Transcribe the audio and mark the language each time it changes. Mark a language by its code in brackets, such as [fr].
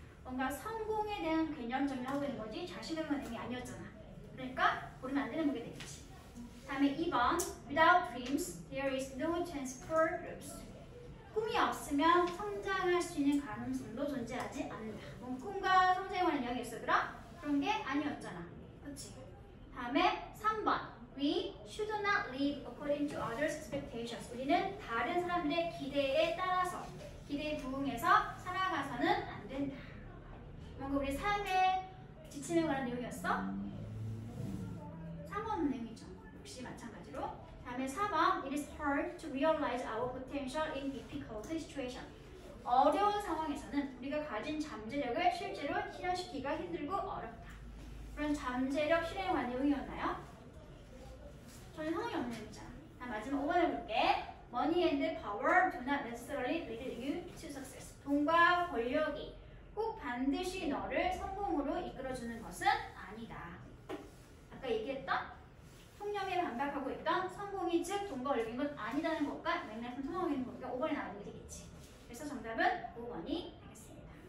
[ko] 뭔가 성공에 대한 개념점을 하고 있는 거지 자신감은 의미 아니었잖아. 그러니까 고르면 안 되는 거게 되겠지. 다음에 2번 [en] Without dreams, there is no chance for growth. [ko] 꿈이 없으면 성장할 수 있는 가능성도 존재하지 않는다. 뭔 꿈과 성장에 관한 이야기였어, 그럼? 그런 게 아니었잖아. 그렇지. 다음에 3번 [en] We should not live according to others' expectations. [ko] 우리는 다른 사람들의 기대에 따라서, 기대에 부응해서 살아가서는 안 된다. 뭔가 우리 삶의 지침에 관한 내용이었어? 3번 내용이죠. 역시 마찬가지로. 다음에 4번. [en] It is hard to realize our potential in difficult situations. [ko] 어려운 상황에서는 우리가 가진 잠재력을 실제로 실현시키기가 힘들고 어렵다. 그런 잠재력 실현에 관한 내용이었나요? 저는 성의 없는 문장. 자, 마지막 5번 해볼게. [en] Money and power do not necessarily lead you to success. [ko] 돈과 권력이 꼭 반드시 너를 성공으로 이끌어주는 것은 아니다. 아까 얘기했던 통념에 반박하고 있던 성공이 즉 돈과 권력인 건 아니다는 것과 맥락은 통하는 것과 5번이 나오는 게 되겠지. 그래서 정답은 5번이 되겠습니다.